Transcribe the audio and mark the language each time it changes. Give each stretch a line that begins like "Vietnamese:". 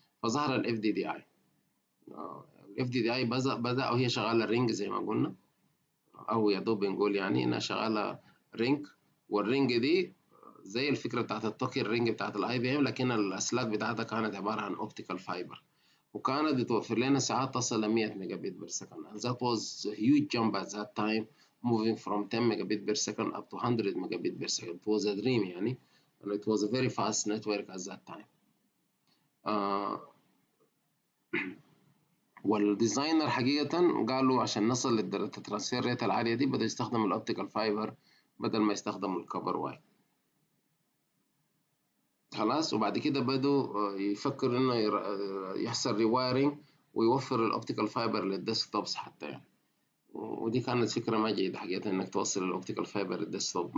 Arabic: فظهر ال FDDI. FDDI بدأ وهي شغالة رينج زي ما قلنا، أو يا دوب بنقول يعني إنها شغالة رينج، والرينج دي زي الفكرة بتاعت التوكي الرينج بتاعت الـ IBM، لكن الأسلاك بتاعتها كانت عبارة عن أوبتيكال فايبر، وكانت بتوفر لنا ساعات تصل لـ 100 ميجا بت بير سكند.
English: And that was a huge jump at that time, moving from 10 megabit per second up to 100 megabit per second. It was a dream
Arabic: يعني.
English: And it was a very fast network at that time.
Arabic: والديزاينر حقيقة قالوا عشان نصل للداتا ترانسفير ريت العالية دي بدأ يستخدم الأوبتيكال فايبر بدل ما يستخدم الكوبر واي خلاص. وبعد كده بدوا يفكر إنه يحصل ريوايرنج ويوفر الأوبتيكال فايبر للديسك توبس حتى يعني، ودي كانت فكرة ما جيدة حقيقة إنك توصل الأوبتيكال فايبر للديسك توب.